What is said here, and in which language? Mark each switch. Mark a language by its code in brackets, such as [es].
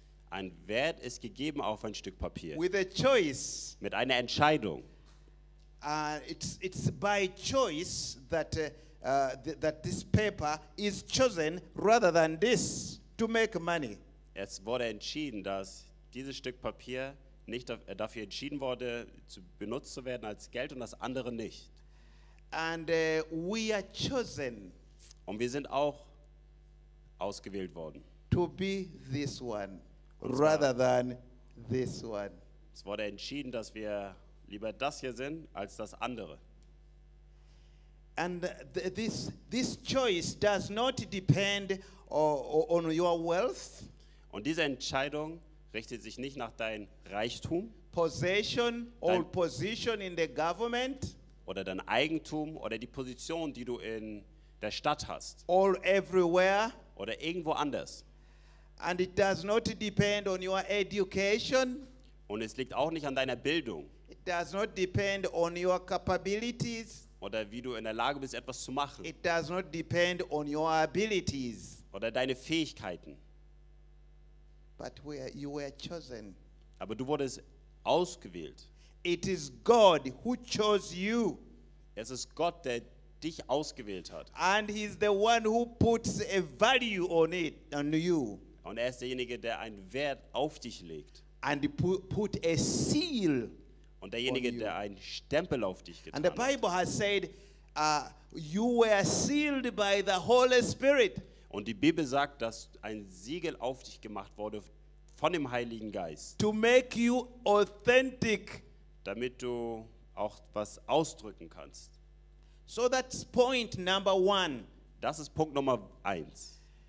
[de] Ein Wert ist gegeben auf ein Stück Papier. [en] With a choice. [de] Mit einer Entscheidung. [en] It's by choice that that this paper is chosen rather than this to make money. [de] Es wurde entschieden, dass dieses Stück Papier nicht dafür entschieden wurde, zu benutzt zu werden als Geld und das andere nicht. [en] And we are chosen. [de] Und wir sind auch ausgewählt worden. [en] To be this one rather than this one. [de] Es wurde entschieden, dass wir lieber das hier sind als das andere. [en] And this choice does not depend on your wealth. [de] Und diese Entscheidung richtet sich nicht nach deinem Reichtum, [en] possession or position in the government, [de] oder dein Eigentum oder die Position, die du in der Stadt hast, [en] or everywhere, [de] oder irgendwo anders. [en] And it does not depend on your education. [de] Und es liegt auch nicht an deiner Bildung. [en] It does not depend on your capabilities. [de] Oder wie du in der Lage bist, etwas zu machen. [en] It does not depend on your abilities. [de] Oder deine Fähigkeiten. [en] But you were chosen. [de] Aber du wurdest ausgewählt. [en] It is God who chose you. [de] Es ist Gott, der dich ausgewählt hat. [en] And he's the one who puts a value on it, on you. [de] Und er ist derjenige, der einen Wert auf dich legt. [en] And put a seal. [de] Und derjenige, der einen Stempel auf dich getan hat. [en] And the Bible has said, you were sealed by the Holy Spirit. [de] Und die Bibel sagt, dass ein Siegel auf dich gemacht wurde von dem Heiligen Geist. [en] To make you authentic. [de] Damit du auch was ausdrücken kannst. [en] So that's point number one. [de] Das ist Punkt Nummer eins.